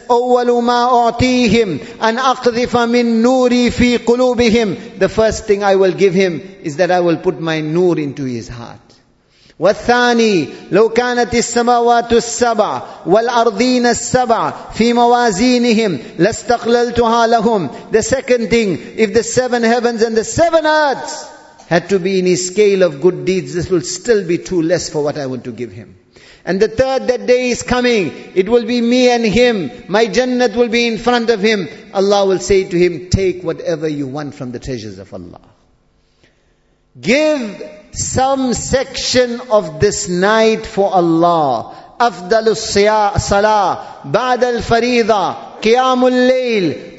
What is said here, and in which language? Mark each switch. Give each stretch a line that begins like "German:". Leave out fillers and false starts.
Arabic: أول ما أعطيهم أن أقذف من نوري في قلوبهم.
English: The first thing I will give him is that I will put my noor into his heart.
Arabic: والثاني لو كانت السماوات السبع والأرضين السبع في موازينهم لاستقللتها لهم.
English: The second thing, if the seven heavens and the seven earths had to be in his scale of good deeds, this will still be too less for what I want to give him. And the third, that day is coming. It will be me and him. My jannat will be in front of him. Allah will say to him, take whatever you want from the treasures of Allah. Give some section of this night for Allah.
Arabic: أفضل الصلاة بعد الفريضة قيام الليل.